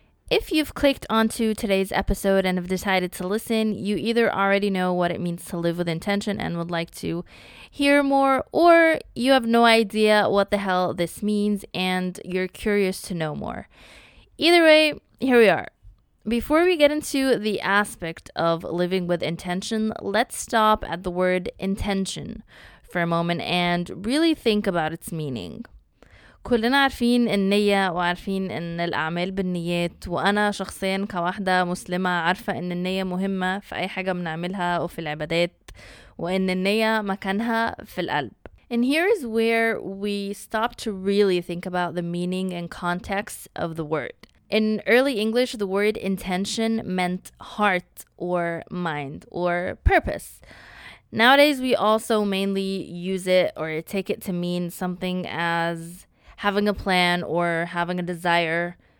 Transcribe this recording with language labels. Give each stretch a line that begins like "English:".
English: If you've clicked onto today's episode and have decided to listen, you either already know what it means to live with intention and would like to hear more, or you have no idea what the hell this means and you're curious to know more. Either way, here we are. Before we get into the aspect of living with intention, let's stop at the word intention for a moment and really think about its meaning.
Arabic: كلنا عارفين النية وعارفين ان الاعمال بالنيات وانا شخصيا كواحدة مسلمة عارفة ان النية مهمة في اي حاجة بنعملها وفي العبادات وان النية مكانها في القلب.
English: And here is where we stop to really think about the meaning and context of the word. In early English, the word intention meant heart or mind or purpose. Nowadays, we also mainly use it or take it to mean something as having a plan or having a desire.